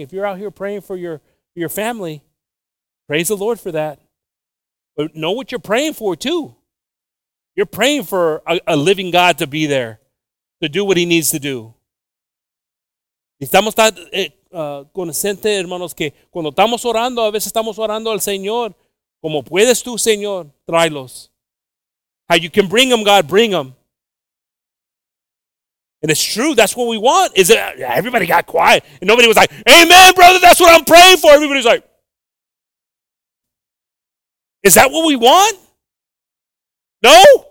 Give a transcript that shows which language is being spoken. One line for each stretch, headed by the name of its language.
English: If you're out here praying for your family, praise the Lord for that. But know what you're praying for too. You're praying for a living God to be there, to do what he needs to do.
Spanish: Estamos conscientes, hermanos, que cuando estamos orando, a veces estamos orando al Señor. Como puedes tú, Señor, tráelos.
English: How you can bring them, God, bring them. And it's true, that's what we want. Is it, everybody got quiet. And nobody was like, amen, brother, that's what I'm praying for. Everybody's like, is that what we want? No?